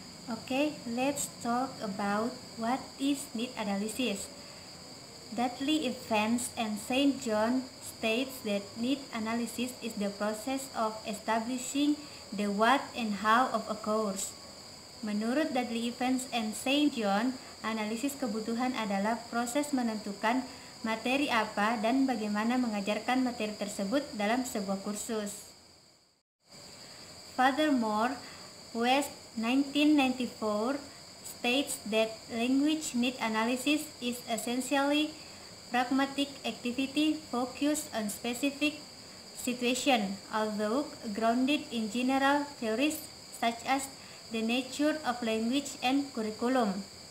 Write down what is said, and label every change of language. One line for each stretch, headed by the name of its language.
English: Okay, let's talk about what is need analysis. Dudley Evans and St. John states that need analysis is the process of establishing the what and how of a course.
Indonesian: Menurut Dudley Evans and St. John, analisis kebutuhan adalah proses menentukan materi apa dan bagaimana mengajarkan materi tersebut dalam sebuah kursus.
English: Furthermore, West 1994 states that language need analysis is essentially pragmatic activity focused on specific situation, although grounded in general theories such as the nature of language and curriculum.